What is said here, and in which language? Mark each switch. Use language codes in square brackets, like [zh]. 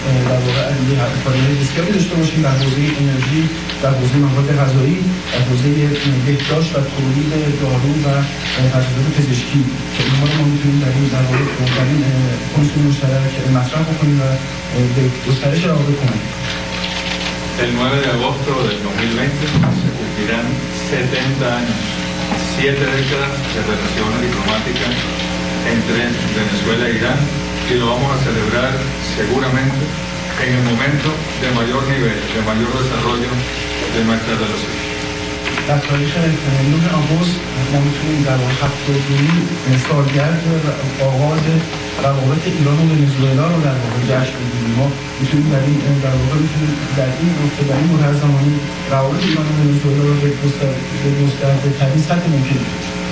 [fa] در واقع همکاریهای بسیاری داشته باشیم در حوزه انرژی، در حوزه مواد غذایی، در حوزه بهداشت و تولید دارو و تجهیزات پزشکی که اینها رو ما میتونیم در این واقع بهترین کمیسیون مشترک مصرف بکنیم و به گسترش رابطه کنیم. [es] El 9 de agosto del 2020 se cumplirán 70 años, 7 décadas de relaciones diplomáticas entre Venezuela e Irán, y lo vamos a celebrar seguramente en el momento de mayor nivel, de mayor desarrollo de nuestra relación. [fa] در تاریخ 9 آگوست ما میتونیم در واقع 72 سالگرد آغاز روابط ایران و ونزوئلا رو در واقع جشن بگیریم. ما میتونیم در این در واقع میتونیم در این نقطه در این مدت زمانی روابط ایران و ونزوئلا رو به گسترده ترین سطح ممکن بگیریم.